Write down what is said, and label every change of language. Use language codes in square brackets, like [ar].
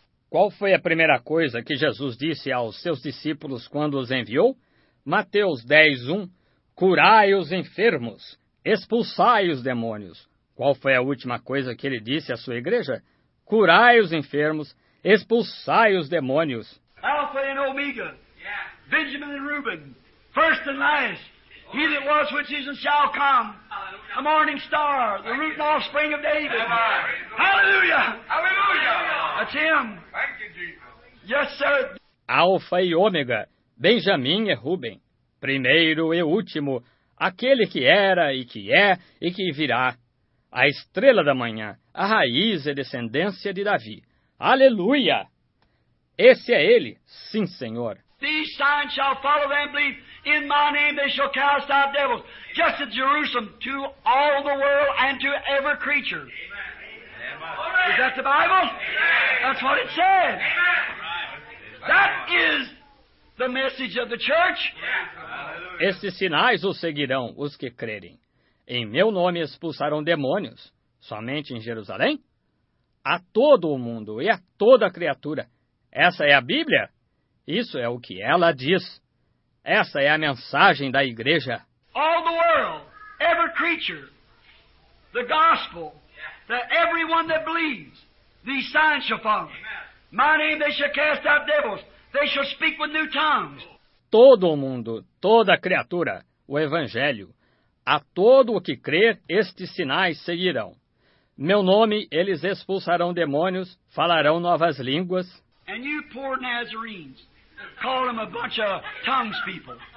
[pt] Qual foi a primeira coisa que Jesus disse aos seus discípulos quando os enviou? Mateus 10:1. Curai os enfermos, expulsai os demônios. Qual foi a última coisa que ele disse à sua igreja? Curai os enfermos, expulsai os demônios. [en] Alpha and Omega, Benjamin and Reuben, first and last, he that was which is and shall come, the morning star, the root and offspring of David. Hallelujah! Hallelujah! That's him. Thank you, Jesus. Yes, sir. [pt] Alpha e Omega, Benjamim e Ruben, primeiro e último, aquele que era e que é e que virá, a estrela da manhã, a raiz e descendência de Davi. Aleluia! Esse é ele, sim, Senhor. [en] These signs shall follow them, believe. In my name they shall cast out devils. Just at Jerusalem, to all the world and to every creature. Amen. Is that the Bible? Amen. That's what it says. Amen. That is the message of the church. Yeah. [pt] Estes sinais os seguirão os que crerem. Em meu nome expulsarão demônios, somente em Jerusalém? A todo o mundo e a toda criatura. Essa é a Bíblia? Isso é o que ela diz. Essa é a mensagem da igreja. [en] All the world, every creature, the gospel, that everyone that believes, these signs shall follow. Amen. My name, they shall cast out devils. They shall speak with new tongues. [pt] Todo mundo, toda criatura, o evangelho, a todo o que crer, estes sinais seguirão. Meu nome, eles expulsarão demônios, falarão novas línguas. [en] And you poor Nazarenes, call them a bunch of tongues people.